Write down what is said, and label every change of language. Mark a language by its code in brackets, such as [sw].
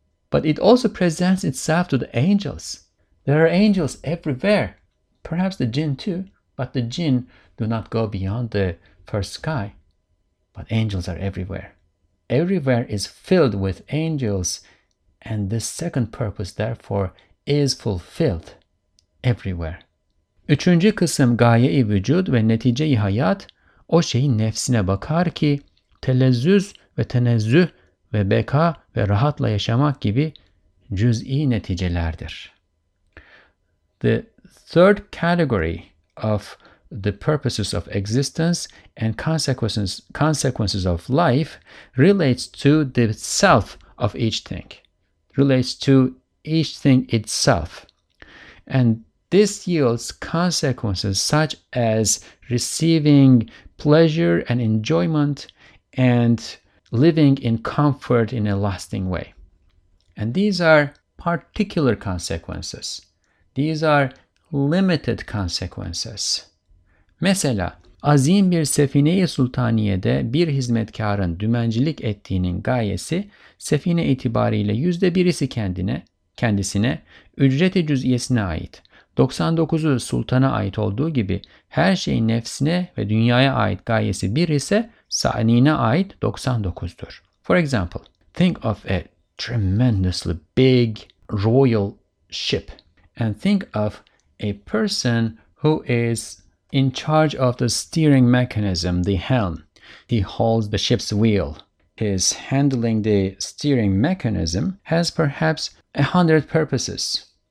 [en] But it also presents itself to the angels. There are angels everywhere. Perhaps the jinn too. But the jinn do not go beyond the first sky. But angels are everywhere. Everywhere is filled with angels. And this second purpose, therefore, is fulfilled. Everywhere. [tr] Üçüncü kısım gaye-i vücud ve netice-i hayat o şeyin nefsine bakar ki telezzüz ve tenezzüh ve beka ve rahatla yaşamak gibi cüz'i neticelerdir. [en] The third category of the purposes of existence and consequences of life relates to the self of each thing, relates to each thing itself. And this yields consequences such as receiving pleasure and enjoyment and living in comfort in a lasting way. And these are particular consequences. These are limited consequences. [tr] Mesela, azim bir Sefine-i Sultaniye'de bir hizmetkarın dümencilik ettiğinin gayesi, sefine itibariyle %1'i kendisine, ücreti cüz'iyesine ait. 99'u sultana ait olduğu gibi her şey nefsine ve dünyaya ait gayesi 1 ise saniyine ait 99'dur. [en] For example, think of a tremendously big royal ship and think of a person who is in charge of the steering mechanism, the helm. He holds the ship's wheel. His handling the steering mechanism has perhaps 100 purposes.